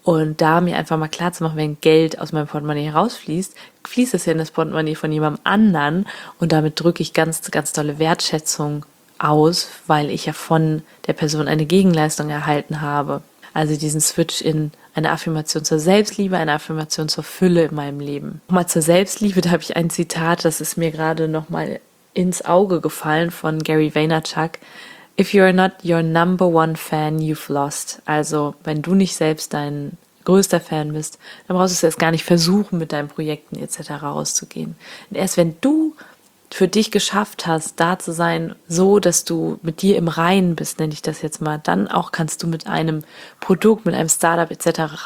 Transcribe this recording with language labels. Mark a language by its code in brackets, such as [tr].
[de] Und da mir einfach mal klar zu machen, wenn Geld aus meinem Portemonnaie rausfließt, fließt es ja in das Portemonnaie von jemand anderen und damit drücke ich ganz, ganz tolle Wertschätzung aus, weil ich ja von der Person eine Gegenleistung erhalten habe. Also diesen Switch in eine Affirmation zur Selbstliebe, eine Affirmation zur Fülle in meinem Leben. Nochmal zur Selbstliebe, da habe ich ein Zitat, das ist mir gerade nochmal ins Auge gefallen von Gary Vaynerchuk. [en] If you're not your number one fan, you've lost. [de] Also wenn du nicht selbst dein größter Fan bist, dann brauchst du es erst gar nicht versuchen, mit deinen Projekten etc. rauszugehen. Und erst wenn du für dich geschafft hast, da zu sein, so dass du mit dir im Reinen bist, nenne ich das jetzt mal, dann auch kannst du mit einem Produkt, mit einem Startup etc.